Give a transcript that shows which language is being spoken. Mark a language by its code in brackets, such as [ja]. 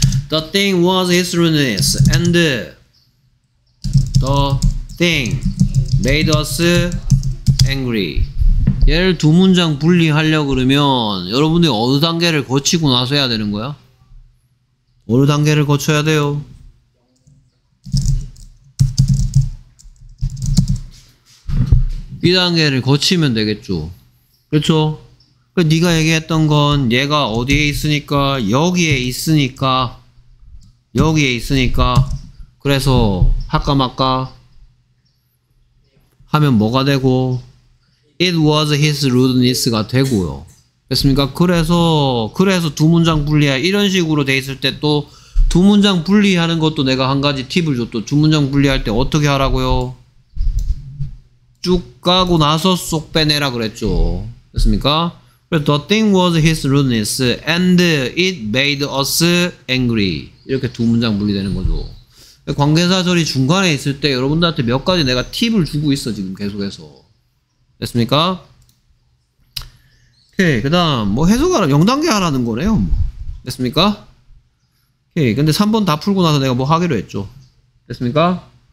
[en] The thing was his rudeness and the thing made us angry. [ko] 얘를 두 문장 분리하려고 그러면 여러분들이 어느 단계를 거치고 나서 해야 되는 거야? 어느 단계를 거쳐야 돼요? 이 단계를 거치면 되겠죠. 그렇죠? 네가 얘기했던 건 얘가 어디에 있으니까 여기에 있으니까 여기에 있으니까 그래서 할까 말까 하면 뭐가 되고 [en] It was his rudeness [ko] 가 되고요. 됐습니까? 그래서 두 문장 분리해 이런 식으로 돼 있을 때 또 두 문장 분리하는 것도 내가 한 가지 팁을 줬어. 두 문장 분리할 때 어떻게 하라고요? 쭉 가고 나서 쏙 빼내라 그랬죠. 됐습니까? [en] The thing was his rudeness and it made us angry. [ko] 이렇게 두 문장 분리되는 거죠. 관계사절이 중간에 있을 때 여러분들한테 몇 가지 내가 팁을 주고 있어 지금 계속해서. 됐습니까? 오케이. 그 다음 뭐 해석하라 0단계 하라는 거네요. 됐습니까? 오케이. 근데 3번 다 풀고 나서 내가 뭐 하기로 했죠. 됐습니까?